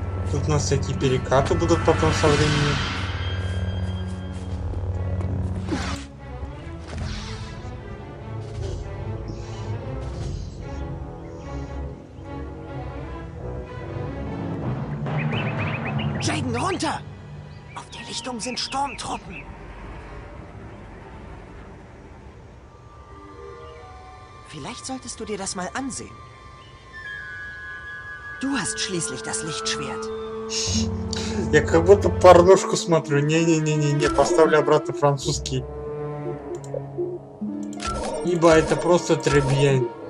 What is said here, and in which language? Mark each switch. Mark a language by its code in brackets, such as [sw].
[ru] Тут у нас всякие перекаты будут потом со временем. [de] Джейден, runter! Auf der Richtung sind Sturmtruppen. Vielleicht solltest du dir das mal ansehen. Du hast schließlich das Lichtschwert. [ru] Я как будто порношку смотрю. Не-не-не-не-не, поставлю обратно французский. Ибо это просто требьен.